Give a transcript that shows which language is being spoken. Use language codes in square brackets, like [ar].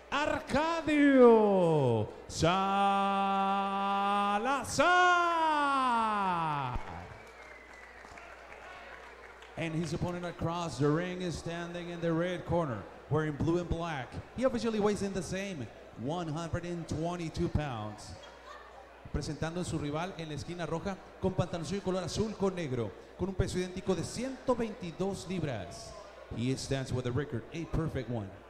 [en] Arcadio Salazar. And his opponent across the ring is standing in the red corner, wearing blue and black. He officially weighs in the same, 122 pounds. [es] Presentando a su rival en la esquina roja con pantaloncillo color azul con negro, con un peso idéntico de 122 libras. [en] He stands with a record, a perfect one.